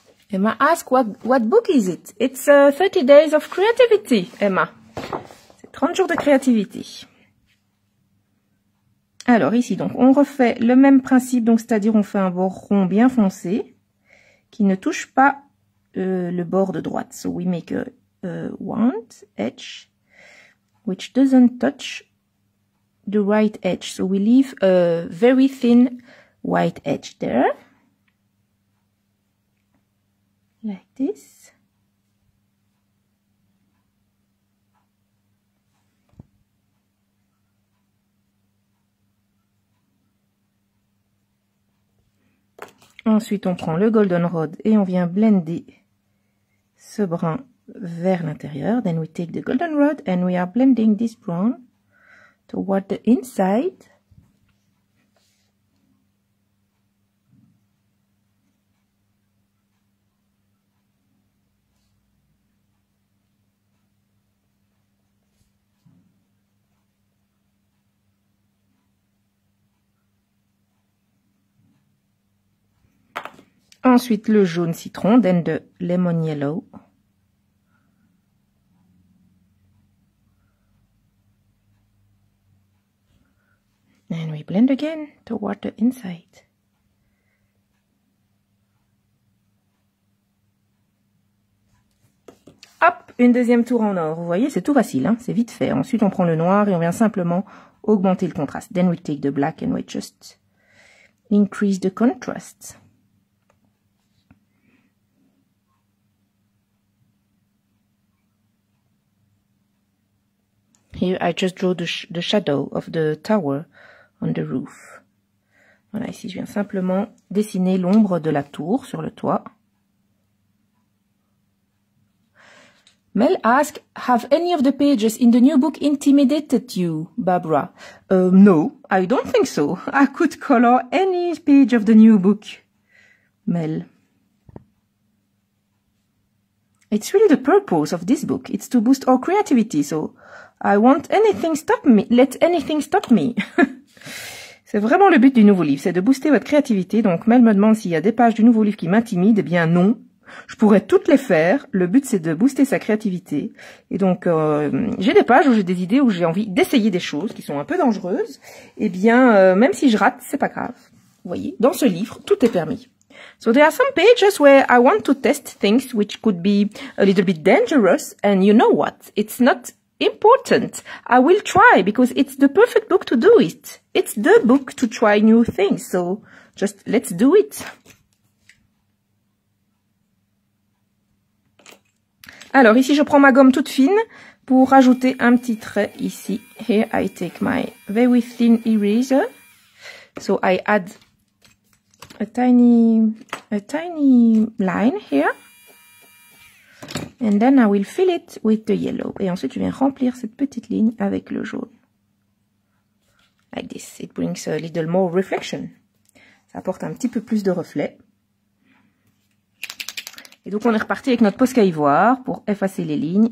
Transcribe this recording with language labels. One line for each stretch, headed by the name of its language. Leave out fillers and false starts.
English: Emma ask what book is it? It's 30 days of creativity, Emma.
French: C'est 30 jours de créativité. Alors ici, donc, on refait le même principe, donc c'est-à-dire on fait un bord rond bien foncé qui ne touche pas le bord de droite.
English: So we make a round edge which doesn't touch the right edge. So we leave a very thin white edge there. Like this.
French: Ensuite, on prend le goldenrod et on vient blender ce brun vers l'intérieur.
English: Then we take the goldenrod and we are blending this brown toward the inside.
French: Ensuite, le jaune citron,
English: then the lemon yellow. And we blend again toward the inside.
French: Hop, une deuxième tour en or. Vous voyez, c'est tout facile, hein, c'est vite fait. Ensuite, on prend le noir et on vient simplement augmenter le contraste.
English: Then we take the black and we just increase the contrast. Here I just draw the shadow of the tower on the roof.
French: Voilà, ici je viens simplement dessiner l'ombre de la tour sur le toit.
English: Mel ask, have any of the pages in the new book intimidated you, Barbara? No, I don't think so. I could color any page of the new book, Mel. It's really the purpose of this book. It's to boost our creativity, so I want anything stop me. Let anything stop me.
French: C'est vraiment le but du nouveau livre, c'est de booster votre créativité. Donc Mel me demande s'il y a des pages du nouveau livre qui m'intimident. Eh bien non, je pourrais toutes les faire. Le but c'est de booster sa créativité. Et donc j'ai des pages où j'ai des idées, où j'ai envie d'essayer des choses qui sont un peu dangereuses. Eh bien même si je rate, c'est pas grave. Vous voyez, dans ce livre, tout est permis.
English: So there are some pages where I want to test things which could be a little bit dangerous. And you know what? It's not important. I will try because it's the perfect book to do it. It's the book to try new things. So just let's do it.
French: Alors ici, je prends ma gomme toute fine pour rajouter un petit trait ici.
English: Here I take my very thin eraser. So I add a tiny line here. And then I will fill it with the yellow.
French: Et ensuite, je viens remplir cette petite ligne avec le jaune.
English: Like this. It brings a little more reflection.
French: Ça apporte un petit peu plus de reflet. Et donc, on est reparti avec notre Posca ivoire pour effacer les lignes.